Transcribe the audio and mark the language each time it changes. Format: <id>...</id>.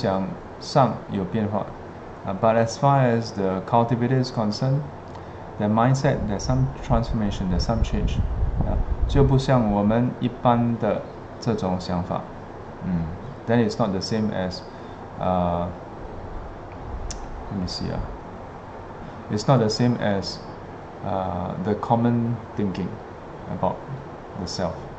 <zh>但是修行人的思想上有变化,</zh> <en>but as far as the cultivator is concerned, their mindset, there's some transformation, there's some change.</en> <zh>就不像我们一般的这种想法.</zh> <en>Then it's not the same as, let me see. It's not the same as the common thinking about the self.</en>